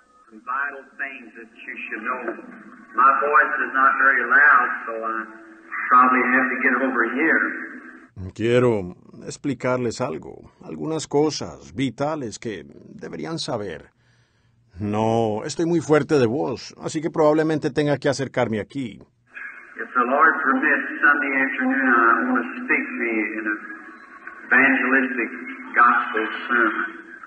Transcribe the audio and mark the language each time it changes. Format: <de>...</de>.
<en>Some vital things that you should know. My voice is not very loud, so I probably have to get over here.</en> <es>Quiero explicarles algo, algunas cosas vitales que deberían saber. No, estoy muy fuerte de voz, así que probablemente tenga que acercarme aquí.</es> <en>If the Lord permits, Sunday afternoon, I want to speak to you in an evangelistic gospel sermon.</en>